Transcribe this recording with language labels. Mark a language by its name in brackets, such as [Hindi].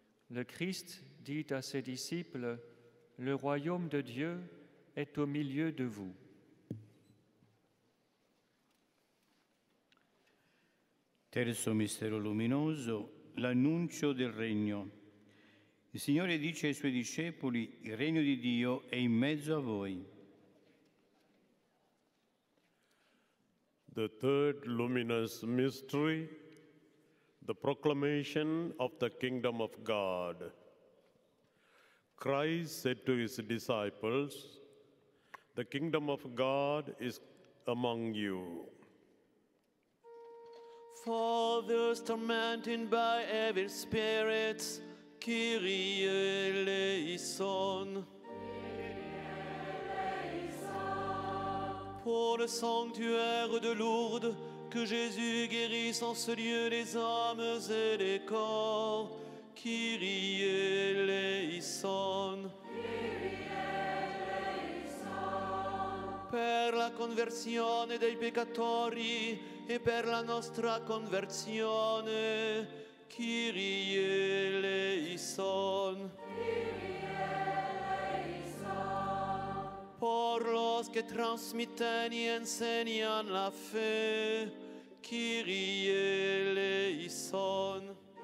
[French] Le Christ dit à ses disciples, « Le royaume de Dieu est au milieu de vous. » [Italian] Terzo mistero luminoso, l'annuncio del regno. Il Signore dice ai Suoi discepoli, il regno di Dio è in mezzo a voi. [English] The third luminous mystery, the proclamation of the kingdom of God. Christ said to his disciples, the kingdom of God is among you. For those tormented by evil spirits, Kyrie eleison. [French] Pour le sanctuaire de Lourdes, que Jésus guérisse en ce lieu les âmes et les corps, Kyrie eleison. [Italian] Per la conversione dei peccatori e per la nostra conversione, Kyrie eleison. [Spanish] Por los que transmiten y enseñan la fe, Kyrie eleison.